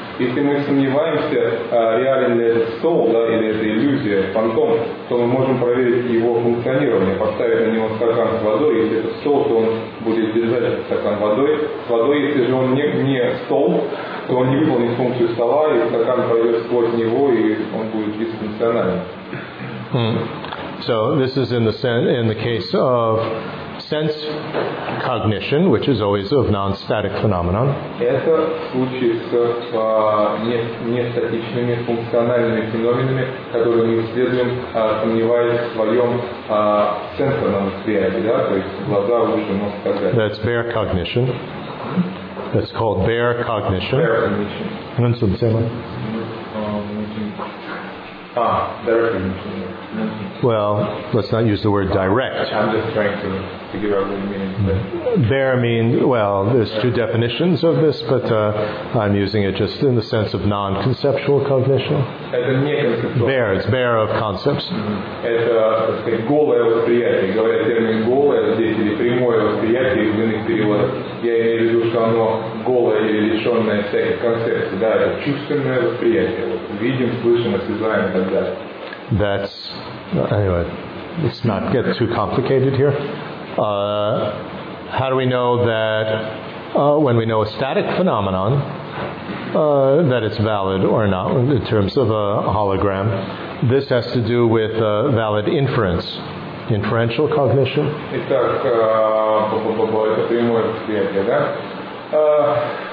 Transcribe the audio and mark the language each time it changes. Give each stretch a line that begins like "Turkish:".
Russian: Если мы сомневаемся, реален ли этот стол, да, или это иллюзия, фантом, то мы можем проверить его функционирование, поставить на него стакан с водой. Если это стол, то он будет держать стакан водой. С водой, если же он не стол, то он не выполнит функцию стола, и стакан пройдет сквозь него, и он будет дисфункциональным.
English: So this is in the case of sense cognition, which is always of non-static phenomenon.
Russian: Это случай с нестатичными функциональными феноменами, которые мы исследуем, сомневаясь в своем сенсорном восприятии, да, то есть глаза, уши, нос, так далее.
English: That's bare cognition. That's called bare cognition. Bare cognition. Understand what? Well, let's not use the word direct. I'm just trying to figure out what you mean. Bare means, well, there's two definitions of this, but I'm using it just in the sense of non-conceptual cognition. Bare, it's bare of concepts.
Russian: Это голое восприятие. Говорят термин голое, здесь или прямое восприятие в иных переводах. Я имею в виду, что оно голое или лишенное всяких концепций. Да, это чувственное восприятие. Вот, видим, слышим, осязаем и так далее.
English: That's anyway. Let's not get too complicated here. How do we know that when we know a static phenomenon that it's valid or not in terms of a hologram? This has to do with valid inference, inferential cognition.
Russian: Итак, это прямое восприятие, да?